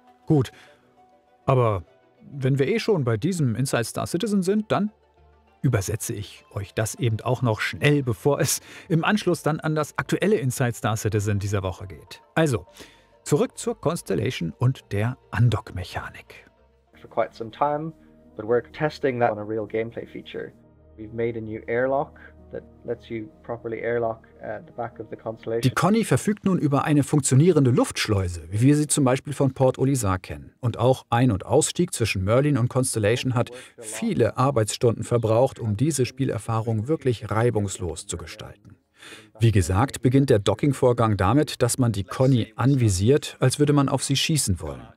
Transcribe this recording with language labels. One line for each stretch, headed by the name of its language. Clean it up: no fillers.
German: Gut, aber wenn wir eh schon bei diesem Inside Star Citizen sind, dann übersetze ich euch das eben auch noch schnell, bevor es im Anschluss dann an das aktuelle Inside Star Citizen dieser Woche geht. Also, zurück zur Constellation und der Undock-Mechanik.
English: For quite some time, but we're testing that on a real gameplay feature. We've made a new airlock that lets you properly airlock at the back of the Constellation.
German: Die Conny verfügt nun über eine funktionierende Luftschleuse, wie wir sie zum Beispiel von Port Olisar kennen. Und auch Ein- und Ausstieg zwischen Merlin und Constellation hat viele Arbeitsstunden verbraucht, um diese Spielerfahrung wirklich reibungslos zu gestalten. Wie gesagt, beginnt der Docking-Vorgang damit, dass man die Conny anvisiert, als würde man auf sie schießen wollen.